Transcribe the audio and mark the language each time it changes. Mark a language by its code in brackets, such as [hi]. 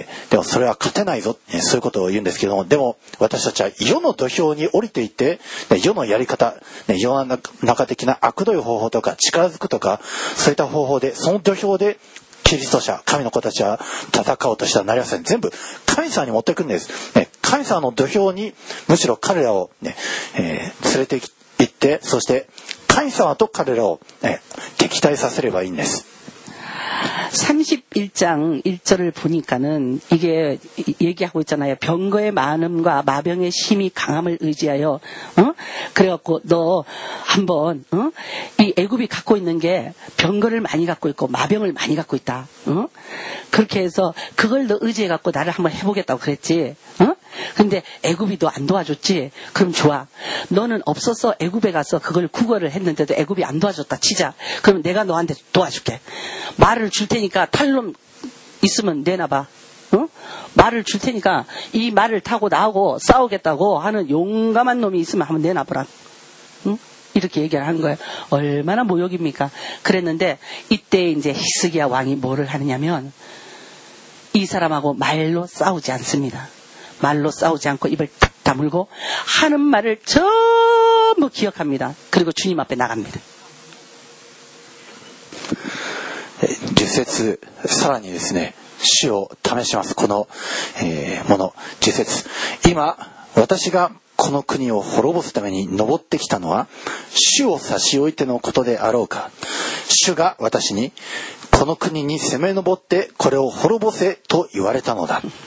[ja] でもそれは勝てないぞ、ね、そういうことを言うんですけどもでも私たちは世の土俵に降りていって、ね、世のやり方、ね、世の中的な悪どい方法とか力づくとかそういった方法でその土俵でキリスト者神の子たちは戦おうとしてはなりません全部神様に持っていくんです、ね、神様の土俵にむしろ彼らを、ね連れて行ってそして神様と彼らを、ね、敵対させればいいんです [ko] 31장 1절을 보니까는 이게 얘기하고 있잖아요. 병거의 많음과 마병의 힘이 강함을 의지하여, 어? 그래갖고 너 한번, 어? 이 애굽이 갖고 있는 게 병거를 많이 갖고 있고 마병을 많이 갖고 있다. 어? 그렇게 해서 그걸 너 의지해갖고 나를 한번 해보겠다고 그랬지. 어? 근데 애굽이 너 안 도와줬지. 그럼 좋아. 너는 없어서 애굽에 가서 그걸 구걸을 했는데도 애굽이 안 도와줬다. 치자. 그럼 내가 너한테 도와줄게. 말을 줄 테니까 탈룸 있으면 내놔봐. 어? 말을 줄 테니까 이 말을 타고 나하고 싸우겠다고 하는 용감한 놈이 있으면 한번 내놔보라. 응? 이렇게 얘기를 한 거예요. 얼마나 모욕입니까? 그랬는데 이때 이제 히스기야 왕이 뭐를 하느냐면 이 사람하고 말로 싸우지 않습니다. 말로 싸우지 않고 입을 탁 다물고 하는 말을 전부 기억합니다. 그리고 주님 앞에 나갑니다. [ja] 10節、さらにですね、主を試します、この、もの、10節、今、私がこの国を滅ぼすために登ってきたのは、主を差し置いてのことであろうか、主が私に、この国に攻め上って、これを滅ぼせと言われたのだ。